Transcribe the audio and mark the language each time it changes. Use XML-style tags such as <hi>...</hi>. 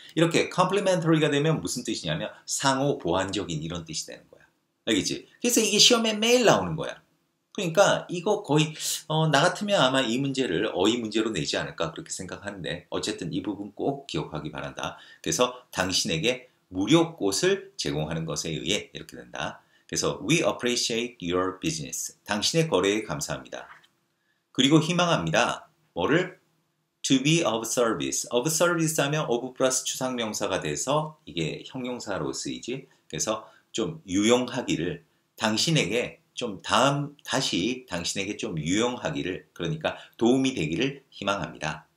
<ko>이렇게 complimentary가 되면 무슨 뜻이냐면 상호 보완적인 이런 뜻이 되는 거야. 알겠지? 그래서 이게 시험에 매일 나오는 거야. 그러니까 이거 거의 나 같으면 아마 이 문제를 어휘 문제로 내지 않을까 그렇게 생각하는데 어쨌든 이 부분 꼭 기억하기 바란다. 그래서 당신에게 무료 꽃을 제공하는 것에 의해 이렇게 된다. 그래서</ko> <en>We appreciate your business.</en> <ko>당신의 거래에 감사합니다. 그리고 희망합니다. 뭐를?</ko> <en>To be of service.</en> <ko>Of service 하면 of 플러스 추상명사가 돼서 이게 형용사로 쓰이지. 그래서 좀 유용하기를 당신에게 좀 다시 당신에게 좀 유용하기를 그러니까 도움이 되기를 희망합니다.</ko>